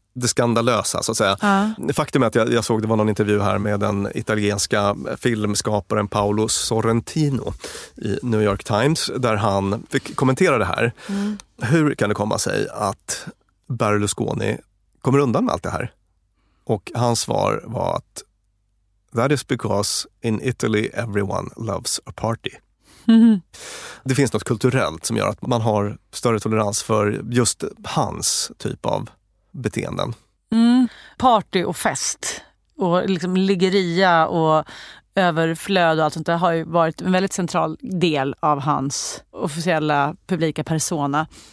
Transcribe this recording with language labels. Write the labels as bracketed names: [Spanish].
[Swedish] det skandalösa, så att säga. Ja. Faktum är att jag såg, det var någon intervju här med den italienska filmskaparen Paolo Sorrentino i New York Times, där han fick kommentera det här. Mm. Hur kan det komma sig att Berlusconi kommer undan med allt det här? Och hans svar var att [English] that is because in Italy everyone loves a party. Mm-hmm. [Swedish] Det finns något kulturellt som gör att man har större tolerans för just hans typ av beteenden. Mm. Party och fest och liksom liggeria och överflöd och allt sånt där har ju varit en väldigt central del av hans officiella publika persona.